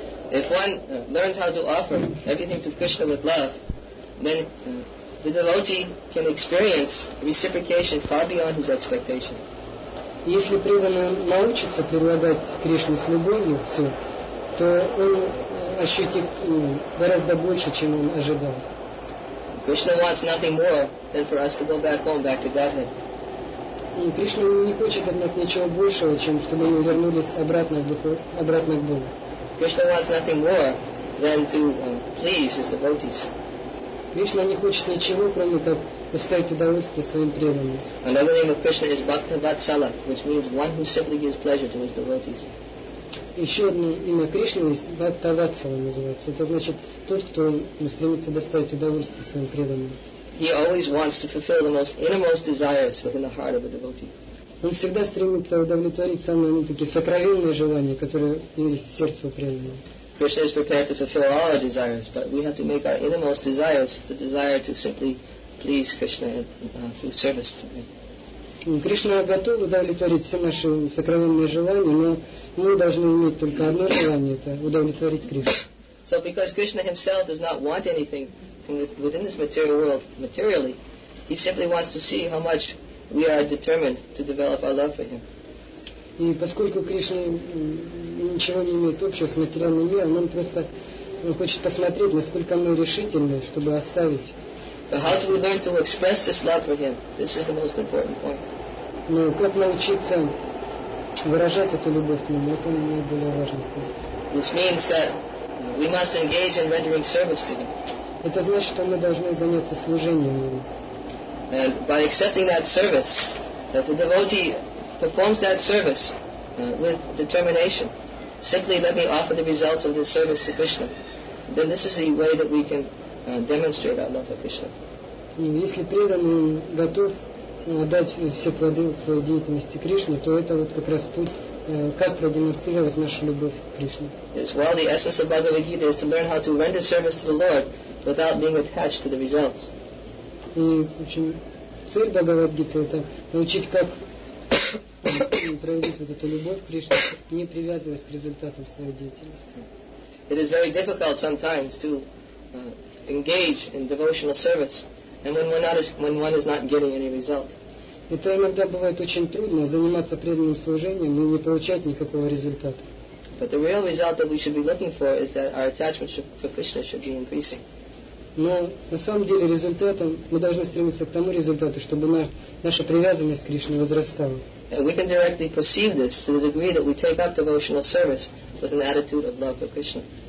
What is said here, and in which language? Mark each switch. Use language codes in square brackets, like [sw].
[en] If one learns how to offer everything to Krishna with love, then the devotee can experience reciprocation far beyond his expectation. [ru] Если преданный научится предлагать Кришне с любовью все, то он ощутит гораздо больше, чем он ожидал. [en] Krishna wants nothing more than for us to go back home, back to Godhead. [ru] И Кришна не хочет от нас ничего большего, чем чтобы мы вернулись обратно к Богу. [en] Krishna wants nothing more than to please his devotees. [ru] Кришна не хочет ничего, кроме как доставить удовольствие своим преданным. [en] Another name of Krishna is Bhakta Vatsala, which means one who simply gives pleasure to his devotees. [ru] Еще одно имя Кришны есть Бхакта Ватсала называется. Это значит тот, кто стремится доставить удовольствие своим преданным. [en] He always wants to fulfill the most innermost desires within the heart of a devotee. [ru] Он всегда стремится удовлетворить самые такие сокровенные желания, которые есть в сердце преданного. [en] Krishna is prepared to fulfill all our desires, but we have to make our innermost desires the desire to simply please Krishna through service to him. [ru] Кришна готов удовлетворить все наши сокровенные желания, но мы должны иметь только одно желание, это удовлетворить Кришну. [en] So because Krishna himself does not want anything within this material world materially, he simply wants to see how much we are determined to develop our love for him. [ru] И поскольку Кришна ничего не имеет общего с материальным миром, он просто хочет посмотреть, насколько мы решительны, чтобы оставить. [en] How do we learn to express this love for him? This is the most important point. [ru] Но как научиться выражать эту любовь к нему, это наиболее важный пункт. [en] This means that we must engage in rendering service to him. [ru] Это значит, что мы должны заняться служением ему. [en] And by accepting that service, that the devotee performs that service with determination, simply let me offer the results of this service to Krishna, then this is a way that we can demonstrate our love for Krishna. [ru] И если преданный готов отдать все плоды своей деятельности Кришне, то это вот как раз путь, как продемонстрировать нашу любовь к Кришне. [en] As well, the essence of Bhagavad Gita is to learn how to render service to the Lord without being attached to the results. [ru] И, в общем, цель Бхагавад Гиты это научить, как проявить вот эту любовь к Кришне, не привязываясь к результатам своей деятельности. [en] It is very difficult sometimes to engage in devotional service, and when one is not getting any result. [ru] Это иногда бывает очень трудно заниматься преданным служением и не получать никакого результата. [en] But the real result that we should be looking for is that our attachment for Krishna should be increasing. [ru] Но на самом деле результатом мы должны стремиться к тому результату, чтобы наша привязанность к Кришне возрастала. [en] And we can directly perceive this to the degree that we take up devotional service with an attitude of love for Krishna.